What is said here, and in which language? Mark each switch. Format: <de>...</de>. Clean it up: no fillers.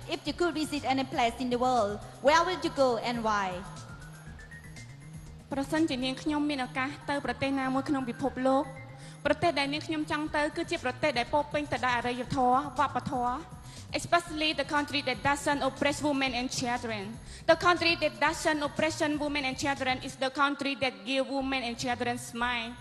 <en>If you could visit any place in the world, where would you go and why?</en> <km>ប្រសិន ជា នាង ខ្ញុំ មាន ឱកាស ទៅ ប្រទេស ណា មួយ ក្នុង ពិភព លោក ប្រទេស ដែល នាង ខ្ញុំ ចង់ ទៅ គឺ ជា ប្រទេស ដែល ពោពេញ ទៅ ដោយ អរិយ ធម៌ វប្បធម៌</km> <en>Especially the country that doesn't oppress women and children. The country that doesn't oppress women and children is the country that give women and children smile.</en>